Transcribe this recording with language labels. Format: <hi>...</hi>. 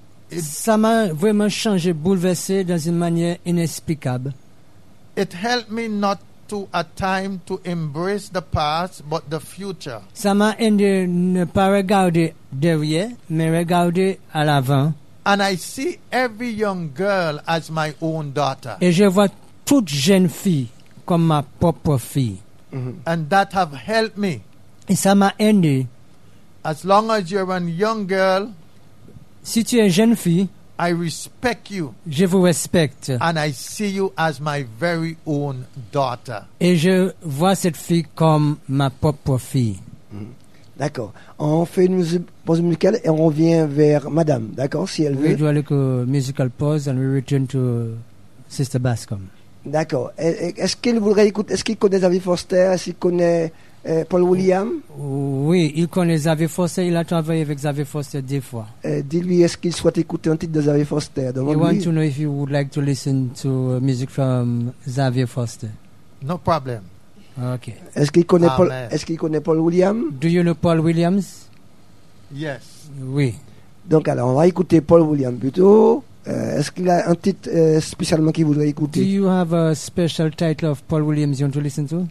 <fr>Ça m'a vraiment changé, bouleversé dans une manière inexplicable.</fr> <en>It helped me not to at time to embrace the past, but the future.</en> <fr>Ça m'a aidé ne pas regarder derrière, mais regarder à l'avant.</fr> <en>And I see every young girl as my own daughter.</en> <fr>Et je vois toute jeune fille comme ma propre fille.</fr> <en>and that have helped me.</en> <fr>Et ça m'a aidé.</fr> <en>As long as you're a young girl,</en> <fr>si tu es jeune fille,</fr> <en>I respect you.</en> <fr>Je vous respecte.</fr> <en>And I see you as my very own daughter.</en> <fr>Et je vois cette fille comme ma propre fille. D'accord. On fait une pause musicale et on revient vers madame, d'accord, si elle veut.</fr> <en>We do a little musical pause and we return to Sister Bascom.</en> <fr>D'accord. Est-ce qu'il voudrait écouter, est-ce qu'il connaît David Foster, est-ce qu'il connaît Paul William? Oui, il connaît Xavier Foster, il a travaillé avec Xavier Foster deux fois. Dis-lui, est-ce qu'il souhaite écouter un titre de Xavier Foster?</fr> <en>He wants to know if you would like to listen to music from Xavier Foster. No problem. Okay.</en> <fr>Est-ce qu'il connaît Paul William?</fr> <en>Do you know Paul Williams? Yes.</en> <fr>Oui. Donc alors, on va écouter Paul William plutôt. Est-ce qu'il a un titre spécialement qu'il voudrait écouter?</fr> <en>Do you have a special title of Paul Williams you want to listen to?</en>